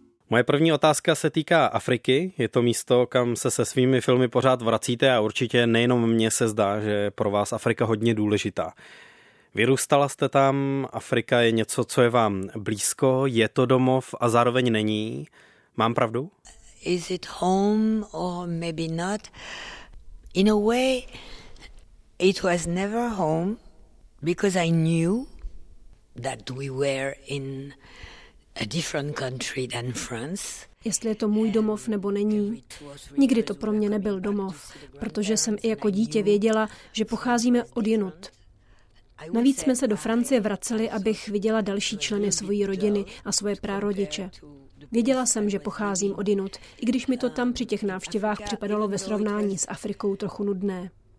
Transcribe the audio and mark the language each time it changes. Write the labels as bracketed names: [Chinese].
[Czech] Moje první otázka se týká Afriky. Je to místo, kam se svými filmy pořád vracíte a určitě nejenom mně se zdá, že je pro vás Afrika hodně důležitá. Vyrůstala jste tam, Afrika je něco, co je vám blízko, je to domov a zároveň není. Mám pravdu? [English] Is it home or maybe not? In a way, it was never home, because I knew that we were in a different country than France. [Czech] Jestli je to můj domov nebo není, nikdy to pro mě nebyl domov, protože jsem i jako dítě věděla, že pocházíme odjinud. Navíc jsme se do Francie vraceli, abych viděla další členy svojí rodiny a svoje prarodiče. Věděla jsem, že pocházím odinut, i když mi to tam při těch návštěvách připadalo ve srovnání s Afrikou trochu nudné.